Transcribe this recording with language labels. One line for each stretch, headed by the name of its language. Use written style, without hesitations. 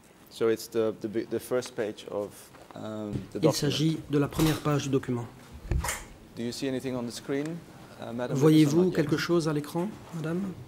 English: So it's the first page of the document.
French: Il s'agit de la première page du document.
English: Do you see anything on the screen, madam?
French: Voyez-vous quelque chose à l'écran, madame?